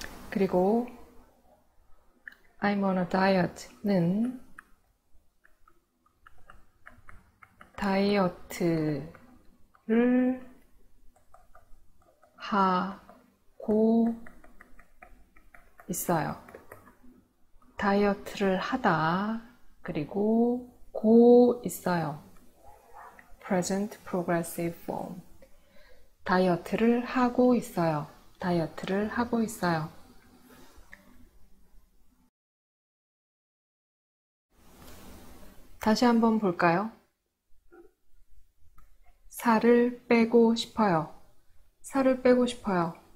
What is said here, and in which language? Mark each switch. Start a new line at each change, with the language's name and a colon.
Korean: 그리고
English: I'm on a diet
Korean: 는 다이어트를 하고 있어요. 다이어트를 하다, 그리고 고 있어요.
English: Present progressive form.
Korean: 다이어트를 하고 있어요. 다이어트를 하고 있어요. 다시 한번 볼까요? 살을 빼고 싶어요. 살을 빼고 싶어요.